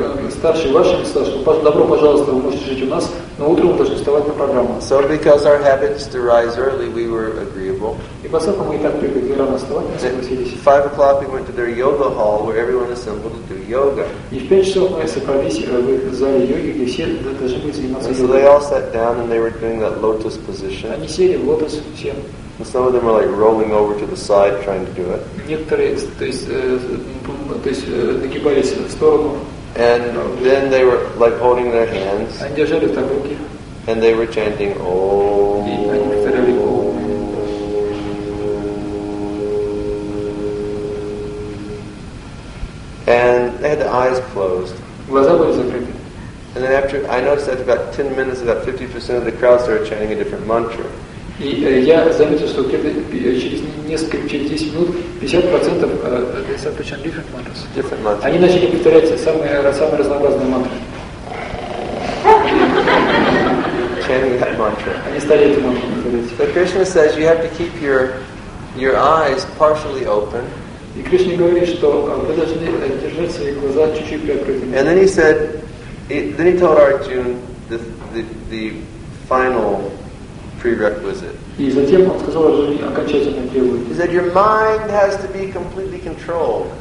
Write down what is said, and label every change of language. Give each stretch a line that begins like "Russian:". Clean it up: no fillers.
Russian: Старший добро пожаловать, вы можете жить у нас, но утром должны вставать на программу.
English: So because our habits to rise early, we were agreeable.
Russian: И поскольку мы так привыкли рано вставать, мы согласились.
English: At 5 o'clock, we went to their yoga hall, where everyone assembled to do yoga.
Russian: И в 5 часов мы собрались в зале йоги, где все должны были заниматься йогой.
English: So they all sat down and they were doing that lotus position.
Russian: Они сели в лотос всем.
English: And some of them were like rolling over to the side trying to do it. And then they were like holding their hands. And they were chanting, "Oh." And they had the eyes closed. And then after, I noticed that about 10 minutes, about 50% of the crowd started chanting a different mantra.
Russian: И я заметил, что где-то через несколько, через 10 минут 50%
English: different mantras.
Russian: Они начали повторять самые разнообразные мантры.
English: Chanting that mantra.
Russian: Они стали эту мантру повторять.
English: But Krishna says you have to keep your eyes partially open.
Russian: И Кришна говорит, что вы должны держать свои глаза чуть-чуть приоткрытыми.
English: And then he said, then he told Arjuna the final prerequisite. He said, your mind has to be completely controlled.